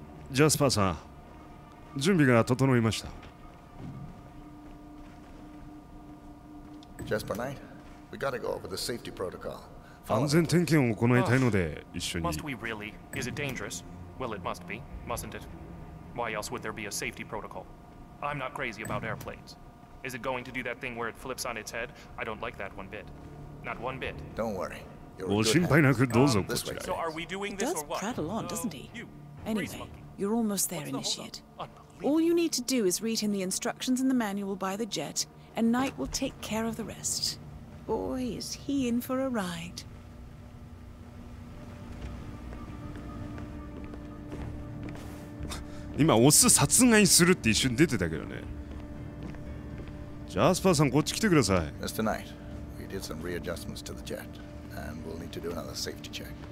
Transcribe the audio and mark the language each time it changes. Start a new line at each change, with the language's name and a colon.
Japanese: ジャスパーさん、準備が整いました。
English: ジャスパーナイト、We gotta go over the safety protocol.
Japanese: 安全点検を行いたいので、一緒に。
English: Must we really? Is it dangerous? Well, it must be, mustn't it? Why else would there be a safety protocol? I'm not crazy about airplanes. Is it going to do that thing where it flips on its head? I don't like that one bit. Not one bit. Don't worry.
Japanese: ご心配なくどうぞこちらへ。
English: He does prattle on, doesn't he? Anyway, you're almost there, initiate. All you need to do is read him the instructions in the manual by the jet, and Knight will take care of the rest. Boy, is he in for a ride.
Japanese: 今オス殺害するって一瞬出てたけどね。ジャスパーさん、こっち来てください。
English: Mr. Knight, we did some readjustments to the jet, and we'll need to do another safety check.